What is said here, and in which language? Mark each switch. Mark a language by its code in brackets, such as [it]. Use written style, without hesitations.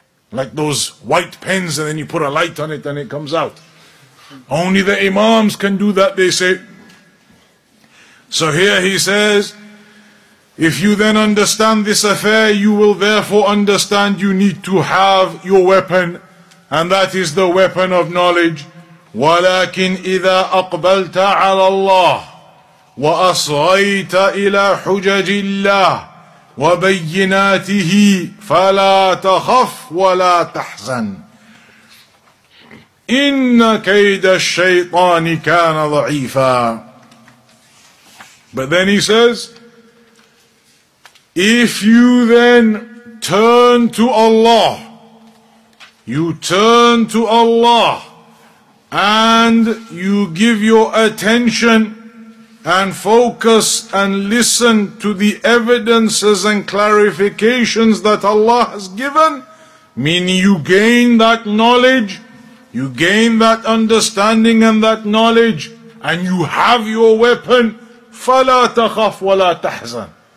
[en] Like those white pens and then you put a light on it and it comes out. Only the imams can do that, they say. So here he says, If you then understand this affair, you will therefore understand you need to have your weapon, and that is the weapon of knowledge. [ar] ولكن إذا أقبلت على الله وأصغيت إلى حجج الله وبيناته فلا تخف ولا تحزن إن كيد الشيطان كان ضعيفا. [en] But then he says, if you then turn to Allah, you turn to Allah and you give your attention and focus and listen to the evidences and clarifications that Allah has given, meaning you gain that knowledge, you gain that understanding and that knowledge, and you have your weapon, [ar] فَلَا تَخَفْ وَلَا تَحْزَنْ.